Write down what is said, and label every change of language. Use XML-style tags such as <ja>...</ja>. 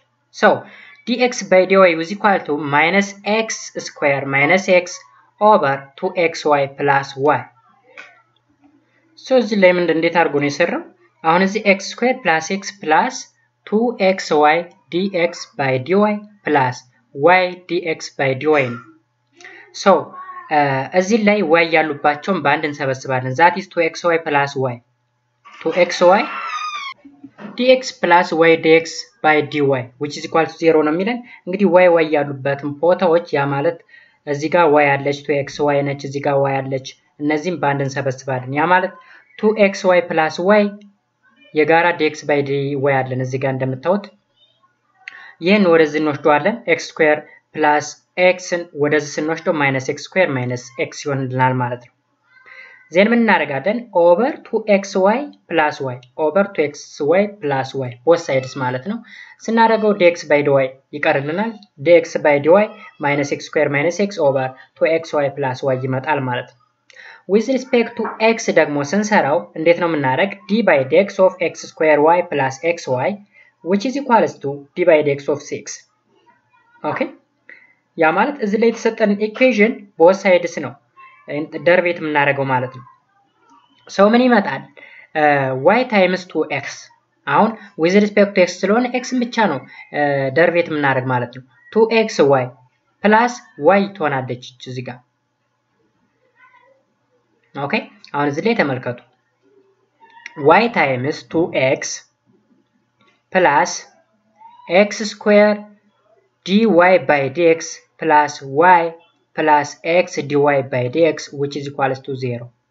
<en>So dx by dy is equal to minus x square minus x over 2xy plus y. So the lemon and data argon is zero.</en> <am>አሁን እዚ</am> <en>x square plus x plus 2xy dx by dy plus y dx by dy.</en> <am>So, እዚ ላይ y ያሉባቸውን በአንድ እንሰበስባለን.</am> <en>That is 2xy plus y. 2xy dx plus y dx by dy, which is equal to 0</en> <am>ነው የሚለን. እንግዲህ y y ያሉበትን ቦታዎች ያ ማለት እዚ ጋር y አለች 2xy ነች እዚ ጋር y አለች እነዚህን በአንድ እንሰበስባለን. ያ ማለት</am> <en>2xy plus y</en> <am>የጋራ dx by dy አለን እዚህ ጋር እንደምታውቁት. ይሄን ወደዚህ እንወስደዋለን</am> <en>x square plus x</en> <am>ወደዚህ እንወስደው</am> <en>minus x square minus x</en> <am>ይሆንልናል ማለት ነው. ዘን ምን እናረጋለን?</am> <en>over 2xy plus y over 2xy plus y both sides</en> <am>ማለት ነው. ስናረጋው</am> <en>dx by dy</en> <am>ይቀርልናል.</am> <en>dx by dy minus x square minus x over 2xy plus y</en> <am>ይመጣል ማለት ነው.</am> <en>With respect to x</en> <am>ደግሞ ስንሰራው እንዴት ነው የምናደርግ?</am> <en>d by dx of x square y plus xy, which is equal to d by dx of 6. Okay?</en> <am>ያ ማለት እዚህ ላይ የተሰጠን</am> <en>equation both sides</en> <am>ነው ደርቬት የምናደርገው ማለት ነው. So ምን ይመጣል?</am> <en>y times 2x.</en> <am>አሁን</am> <en>with respect to x</en> <am>ስለሆነ x ብቻ ነው ደርቬት የምናደርግ ማለት ነው.</am> <en>2xy plus y</en> <am>ትሆናለች እዚህ ጋር. ኦኬ አሁን እዚህ ላይ ተመልከቱ.</am> <en>y times 2x plus x square dy by dx plus y plus x dy by dx which is equal to 0.</en>